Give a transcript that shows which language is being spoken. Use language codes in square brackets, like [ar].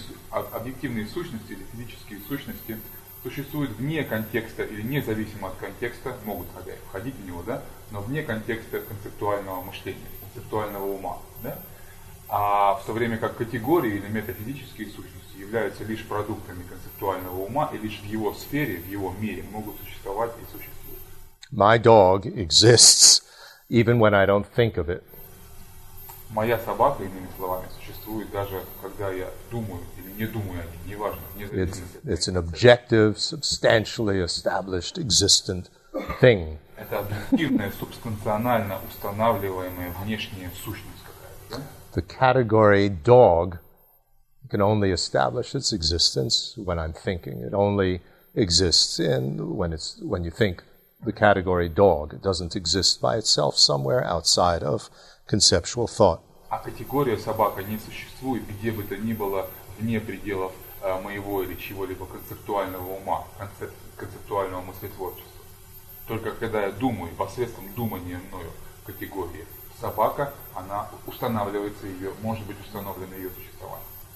[ru] Объективные сущности или физические сущности существуют вне контекста или независимо от контекста, могут входить в него, да, но вне контекста концептуального мышления, концептуального ума, да. А в то время как категории или метафизические сущности являются лишь продуктами концептуального ума и лишь в его сфере, в его мире могут существовать и существуют. [en] My dog exists even when I don't think of it. [ru] Моя собака, иными словами, существует даже когда я думаю или не думаю о ней, неважно. [en] It's an objective, substantially established, existent thing. [ru] Это объективная, субстанционально устанавливаемая внешняя сущность какая-то. [en] The category dog can only establish its existence when I'm thinking. It only exists in when you think the category dog. It doesn't exist by itself somewhere outside of conceptual thought. [ru] А категория собака не существует где бы то ни было вне пределов моего или чего-либо концептуального ума, концептуального мыслетворчества. Только когда я думаю, посредством думания мною категории собака, она устанавливается ее, может быть установлено ее существование.